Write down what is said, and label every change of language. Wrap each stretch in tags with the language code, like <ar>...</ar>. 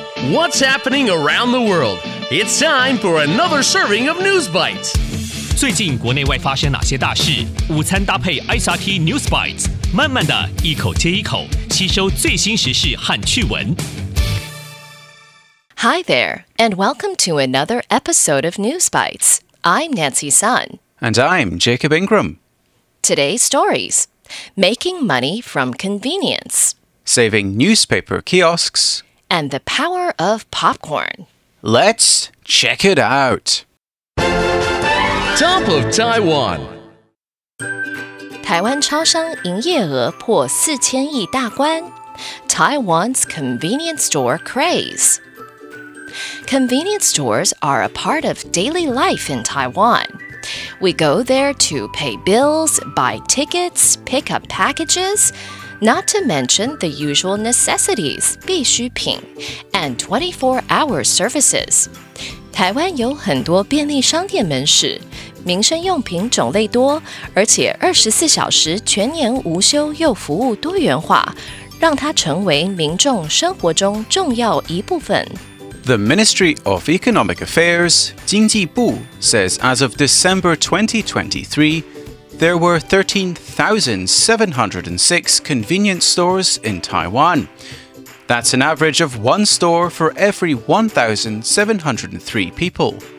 <en>What's happening around the world? It's time for another serving of News Bites.</en> <zh>最近国内外发生哪些大事？午餐搭配 SRT News Bites， 慢慢的一口接一口，吸收最新时事和趣闻。</zh> <en>Hi there, and welcome to another episode of News Bites. I'm Nancy Sun. And I'm Jacob Ingram. Today's stories: Making money from convenience, saving newspaper kiosks, and the power of popcorn. Let's check it out. Top of Taiwan.</en> <zh>台湾超商营业额破四千亿大关。</zh> <en>Taiwan's convenience store craze. Convenience stores are a part of daily life in Taiwan. We go there to pay bills, buy tickets, pick up packages, not to mention the usual necessities, 必需品, and 24-hour services.</en> <zh>台湾有很多便利商店门市，民生用品种类多，而且24小时全年无休又服务多元化，让它成为民众生活中重要一部分。</zh> <en>The Ministry of Economic Affairs, 经济部, says as of December 2023, there were 13,706 convenience stores in Taiwan. That's an average of one store for every 1,703 people.</en>